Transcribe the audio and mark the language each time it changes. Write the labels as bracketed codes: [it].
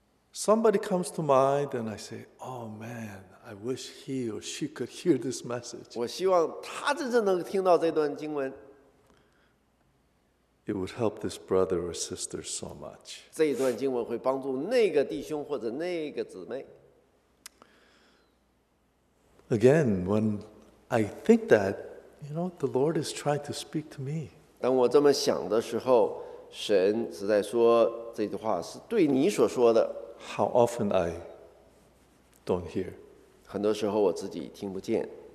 [en] Somebody comes to mind, and I say, "Oh man, I wish he or she could hear this message. [zh] 我希望他真正能听到这段经文。 [en] It would help this brother or sister so much. [zh] 这一段经文会帮助那个弟兄或者那个姊妹。 [en] Again, when I think that, you know, the Lord is trying to speak to me. [zh] 当我这么想的时候。神实在说这句话是对你所说的。 [en] How often I don't hear. [zh] 很多时候我自己听不见。